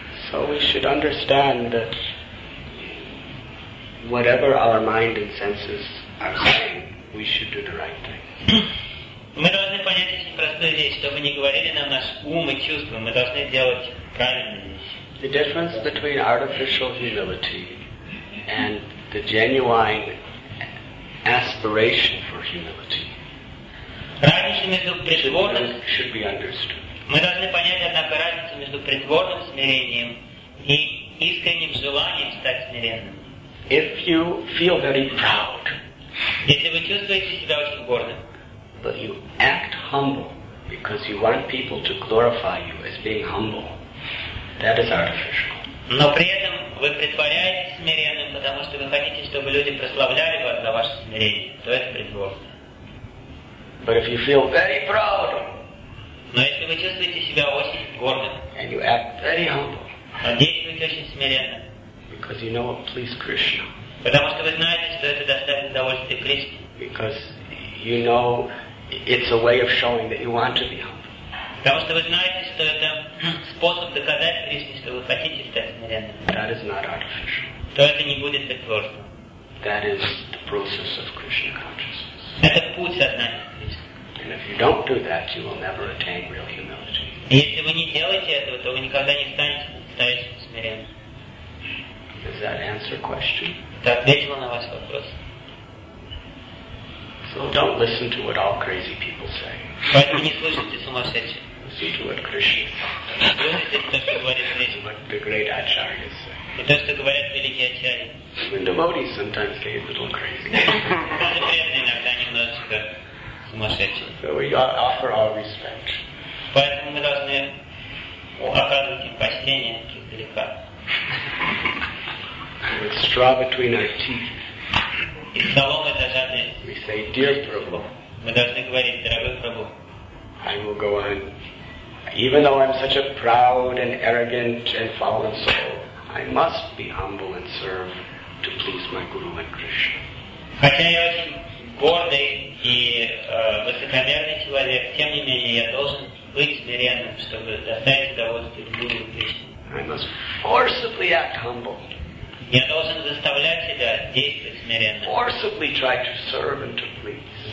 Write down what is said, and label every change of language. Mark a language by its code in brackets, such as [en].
[en] So we should understand that whatever our mind and senses are saying, we should do the right thing. [ru] Мы должны понять очень простую вещь, чтобы не говорили нам наш ум и чувства, мы должны делать правильные вещи. [en] The difference between artificial humility and the genuine aspiration for humility. [ru] Разница между притворным [en] should be understood. [ru] Мы должны понять, однако, разницу между притворным смирением и искренним желанием стать смиренным. [en] If you feel very proud, [ru] если вы чувствуете себя очень гордым, [en] but you act humble because you want people to glorify you as being humble, that is artificial. [ru] Но при этом вы притворяетесь смиренным, потому что вы хотите, чтобы люди прославляли вас за ваше смирение, то это притворство. [en] But if you feel very proud, [ru] но если вы чувствуете себя очень гордым, [en] and you act very humble, [ru] но действуете очень смиренно, [en] because you know it pleases Krishna, [ru] потому что вы знаете, что это доставит удовольствие Кришне, [en] because you know it's a way of showing that you want to be humble, [ru] потому что вы знаете, что это способ доказать Кришне, что вы хотите стать смиренным, [en] that is not artificial, [ru] то это не будет притворством, [en] that is the process of Krishna consciousness. [ru] Это путь сознания. [en] And if you don't do that, you will never attain real humility. [ru] Если вы не делаете этого, то вы никогда не станете смиренным. [en] Does that answer question? [ru] Это ответило на ваш вопрос. [en] So don't listen to what all crazy people say. [ru] Поэтому не слушайте сумасшедших. [en] Listen to what Krishna says. What the great acharyas say. [ru] И то, что говорят великие ачарьи. [en] Even devotees sometimes get a little crazy. [ru] Даже преданные иногда немножечко сумасшедшие. [en] So we offer our respect. [ru] Поэтому мы должны оказывать им почтение издалека. И в самом этаже мы должны говорить: дорогой Прабху. [en] I will go on. Even though I'm such a proud and arrogant and fallen soul, I must be humble and serve to please my Guru and Krishna. [ru] Хотя я очень гордый и высокомерный человек, тем не менее я должен быть смиренным, чтобы достать удовольствие Гуру и Кришне. [en] I must forcibly act humble. [ru] Я должен заставлять себя действовать смиренно. [en] Forcibly try to serve and to please.